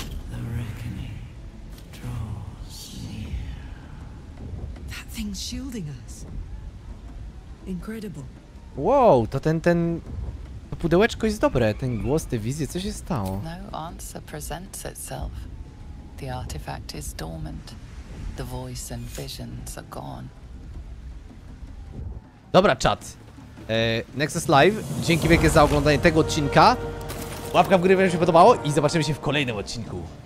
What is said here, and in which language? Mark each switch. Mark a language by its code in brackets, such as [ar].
[en] The reckoning draws near. That thing's shielding us. Incredible. [pl] Wow, to ten to pudełeczko jest dobre, ten głos, te wizje, co się stało? [en] No answer presents itself. The artifact is dormant. The voice and visions are gone. [pl] Dobra, czat. Nexus Live, dzięki wielkie za oglądanie tego odcinka. Łapka w górę, jeżeli się podobało i zobaczymy się w kolejnym odcinku.